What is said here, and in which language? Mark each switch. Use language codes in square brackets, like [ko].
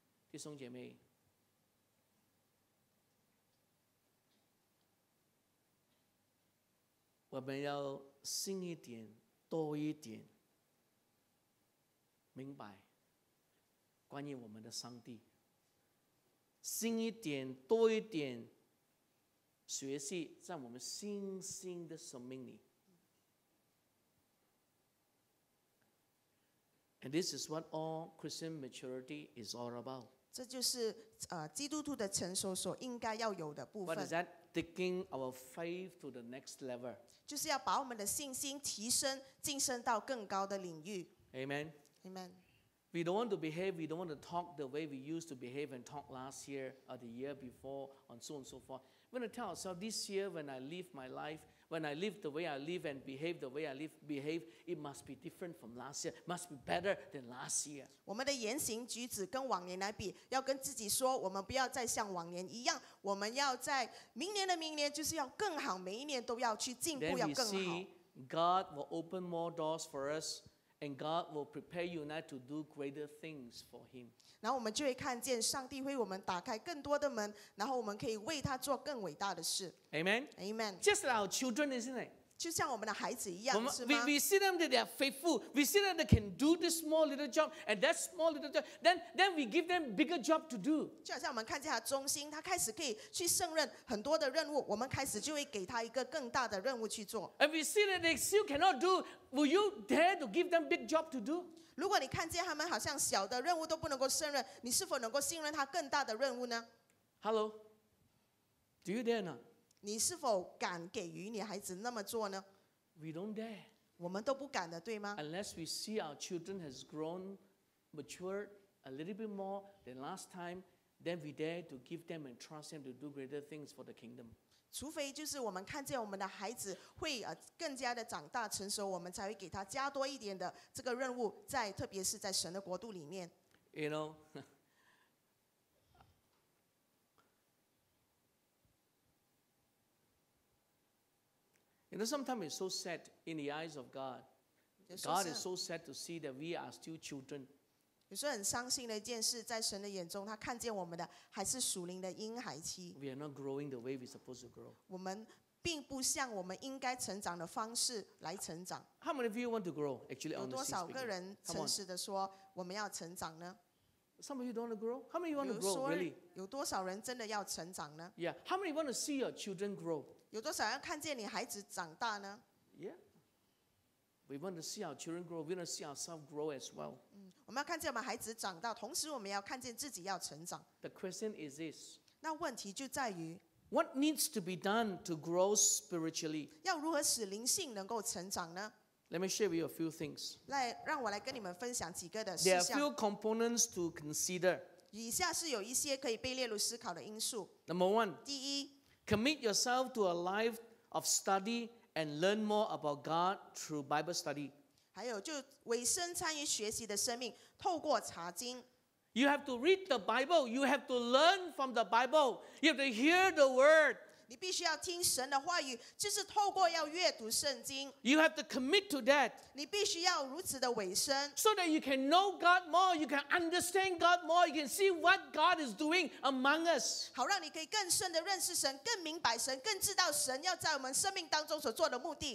[zh] 弟兄姐妹，我们要信一点，多一点，明白关于我们的上帝。信一点，多一点，学习在我们信心的生命里。 [en] And this is what all Christian maturity is all about. [zh] 这就是基督徒的成熟所应该要有的部分。 [en] What is that? Taking our faith to the next level. [zh] 就是要把我们的信心提升，晋升到更高的领域。 [en] Amen. Amen. We don't want to behave, we don't want to talk the way we used to behave and talk last year or the year before and so on and so forth. We want to tell ourselves, this year when I live my life, when I live the way I live and behave the way I live, behave, it must be different from last year, must be better than last year. [zh] 我们的言行举止跟往年来比，要跟自己说，我们不要再像往年一样，我们要在明年的明年就是要更好，每一年都要去进步，要更好。 [en] Then we see God will open more doors for us, and God will prepare you and I to do greater things for Him. [zh] 然后我们就会看见上帝为我们打开更多的门，然后我们可以为他做更伟大的事。 [en] Amen. Amen. Just like our children, isn't it? [zh] 就像我们的孩子一样，我们是吗？ [en] We see them that they are faithful. We see them they can do this small little job and that small little job. Then we give them bigger job to do. [zh] 就好像我们看见他忠心，他开始可以去胜任很多的任务，我们开始就会给他一个更大的任务去做。 [en] And we see that they still cannot do, will you dare to give them big job to do? [zh] 如果你看见他们好像小的任务都不能够胜任，你是否能够信任他更大的任务呢？ [en] Hello, do you dare not? [zh] 你是否敢给予你孩子那么做呢？ [en] We don't dare. [zh] 我们都不敢的，对吗？ [en] Unless we see our children has grown, matured a little bit more than last time, then we dare to give them and trust them to do greater things for the kingdom. [zh] 除非就是我们看见我们的孩子会更加的长大成熟，我们才会给他加多一点的这个任务，在特别是在神的国度里面。 [en] You know, you know, sometimes it's so sad in the eyes of God. God is so sad to see that we are still children. [zh] 有时候很伤心的一件事，在神的眼中，他看见我们的还是属灵的婴孩期。 [en] We are not growing the way we're supposed to grow. [zh] 我们并不像我们应该成长的方式来成长。 [en] How many of you want to grow? Actually, [zh] 有多少个人诚实的说我们要成长呢？ [en] Some of you don't want to grow. How many you want to grow? Really? [zh] 有多少人真的要成长呢？ [en] Yeah. How many want to see your children grow? [zh] 有多少要看见你孩子长大呢？ [en] Yeah. We want to see our children grow. We want to see ourselves grow as well. [zh] 我们要看见我们孩子长大，同时我们要看见自己要成长。 [en] The question is this. [zh] 那问题就在于。 [en] What needs to be done to grow spiritually? [zh] 要如何使灵性能够成长呢？ [en] Let me share with you a few things. [zh] 来，让我来跟你们分享几个的事项。 [en] There are a few components to consider. [zh] 以下是有一些可以被列入思考的因素。 [en] Number one. [zh] 第一。 [en] Commit yourself to a life of study and learn more about God through Bible study. [zh] 还有就委身参与学习的生命，透过查经。 [en] You have to read the Bible. You have to learn from the Bible. You have to hear the word. [zh] 你必须要听神的话语，就是透过要阅读圣经。 [en] You have to commit to that. [zh] 你必须要如此的委身。 [en] So that you can know God more, you can understand God more, you can see what God is doing among us. [zh] 好，让你可以更深的认识神，更明白神，更知道神要在我们生命当中所做的目的。